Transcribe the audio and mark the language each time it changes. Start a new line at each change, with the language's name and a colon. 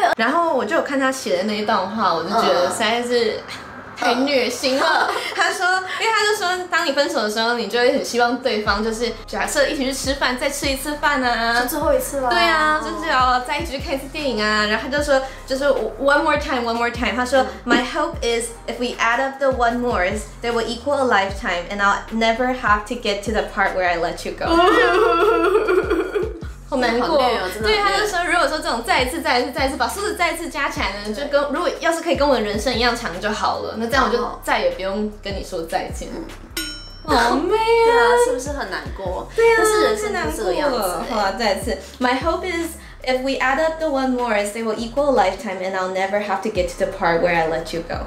Chinese: 然后我就有看他写的那一段话，我就觉得实在是太虐心了。他说，因为他就说，当你分手的时候，你就会很希望对方就是假设一起去吃饭，再吃一次饭啊，就最后一次了。对啊，就是要再一起去看一次电影啊。然后他就说，就是
English: one more time。
Chinese: 他说
English: ，My hope is if we add up the one mores, they will equal a lifetime, and I'll never have to get to the part where I let you go 。
Chinese: 好难过，对，他就说，如果说这种再一次，把数字再一次加起来呢，就跟如果要是可以跟我的人生一样长就好了，那这样我就再也不用跟你说再见。好美啊，是不是很难过？对啊，是人生就这样子。好啊，再一次
English: ，My hope is if we add up the one more, they will equal a lifetime, and I'll never have to get to the part where I let you go。